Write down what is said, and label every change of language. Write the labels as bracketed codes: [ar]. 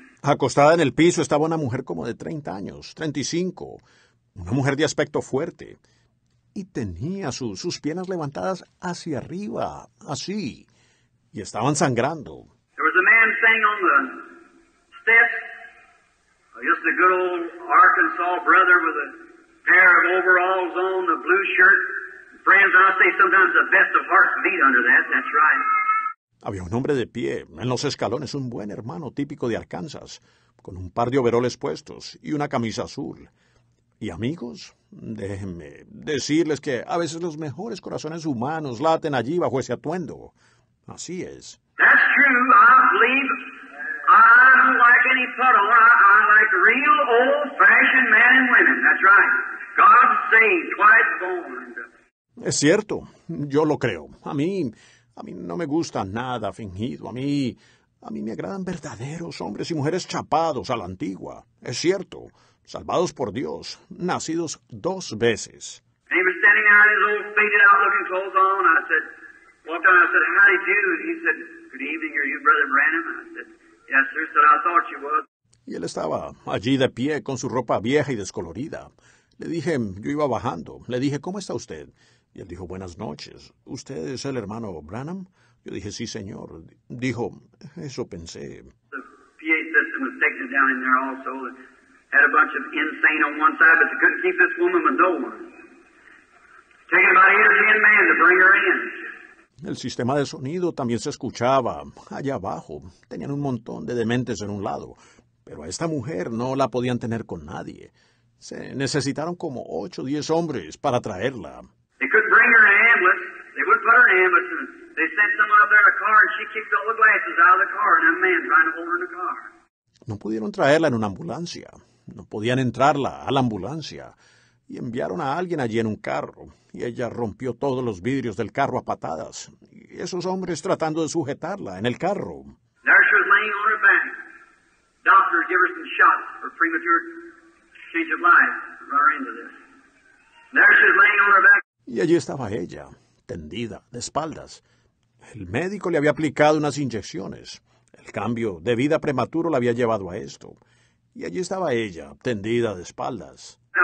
[es] Acostada en el piso estaba una mujer como de 30 años, 35. Una mujer de aspecto fuerte, y tenía sus piernas levantadas hacia arriba, así, y estaban sangrando. [en] There was a man sitting on the steps, just a good old Arkansas brother with a pair of overalls on, a blue shirt. Friends, I say sometimes the best of hearts beat under that, that's right. [es] Había un hombre de pie, en los escalones, un buen hermano típico de Arkansas, con un par de overoles puestos y una camisa azul. Y amigos, déjenme decirles que a veces los mejores corazones humanos laten allí bajo ese atuendo. Así es. [en] That's true. I believe I don't like any puddle. I like real old-fashioned men and women. That's right. God saved, twice born. [es] Es cierto. Yo lo creo. A mí no me gusta nada fingido. A mí me agradan verdaderos hombres y mujeres chapados a la antigua. Es cierto. Salvados por Dios, nacidos dos veces. [en] He was standing there in his old faded out looking clothes on. I said, walked on, I said, how do you do? And he said, good evening, are you Brother Branham? I said, yes, sir, said, I thought you was. [es] Y él estaba allí de pie con su ropa vieja y descolorida. Le dije, yo iba bajando. Le dije, ¿cómo está usted? Y él dijo, buenas noches. ¿Usted es el hermano Branham? Yo dije, sí, señor. Dijo, eso pensé. [en] The PA system was taken down in there also. Had a bunch of insane on one side, but they couldn't keep this woman with no one. Taking about 8 or 10 men to bring her in. [es] El sistema de sonido también se escuchaba allá abajo. Tenían un montón de dementes en un lado, pero a esta mujer no la podían tener con nadie. Se necesitaron como 8 o 10 hombres para traerla. [en] They couldn't bring her in an ambulance. They wouldn't put her in an ambulance. They sent someone up there in a car, and she kicked all the glasses out of the car, and a man trying to hold her in the car. [es] No pudieron traerla en una ambulancia. No podían entrarla a la ambulancia. Y enviaron a alguien allí en un carro. Y ella rompió todos los vidrios del carro a patadas. Y esos hombres tratando de sujetarla en el carro. [en] There she was laying on her back. Doctor gave her some shots for premature change of life. Run her into this. There she was laying on her back. [es] Y allí estaba ella, tendida, de espaldas. El médico le había aplicado unas inyecciones. El cambio de vida prematuro la había llevado a esto. Y allí estaba ella, tendida de espaldas.